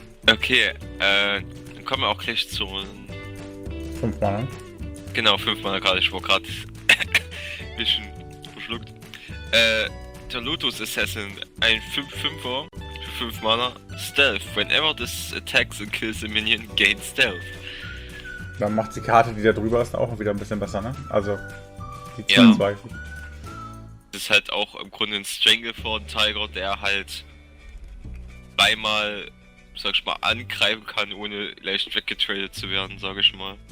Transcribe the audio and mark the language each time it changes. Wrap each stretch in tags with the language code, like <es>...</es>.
<de>Okay, dann kommen wir auch gleich zu 5 Mana. Genau, 5 Mana gerade, ich war gerade ein bisschen verschluckt. Der Lotus Assassin, ein 5-5er für 5 Mana. Stealth.</de> <en>Whenever this attacks and kills a minion, gain stealth.</en> <de>Dann macht die Karte, die da drüber ist, auch wieder ein bisschen besser, ne? Also, die 10-2. Ja. Das ist halt auch im Grunde ein Stranglethorn Tiger, der halt beimal, sag ich mal, angreifen kann, ohne leicht weggetradet zu werden, sag ich mal.</de>